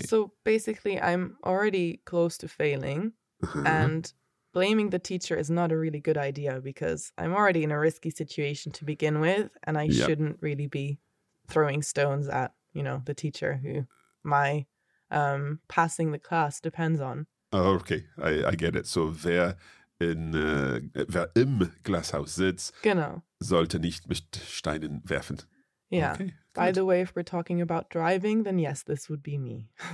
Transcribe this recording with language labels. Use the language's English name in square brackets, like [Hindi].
[English] So basically, I'm already close to failing and blaming the teacher is not a really good idea because I'm already in a risky situation to begin with and I shouldn't really be throwing stones at, you know, the teacher who my passing the class depends on. Oh, okay, I get it. So [German] wer im Glashaus sitzt, genau, sollte nicht mit Steinen werfen. [English] Yeah. Okay, by the way, if we're talking about driving, then yes, this would be me.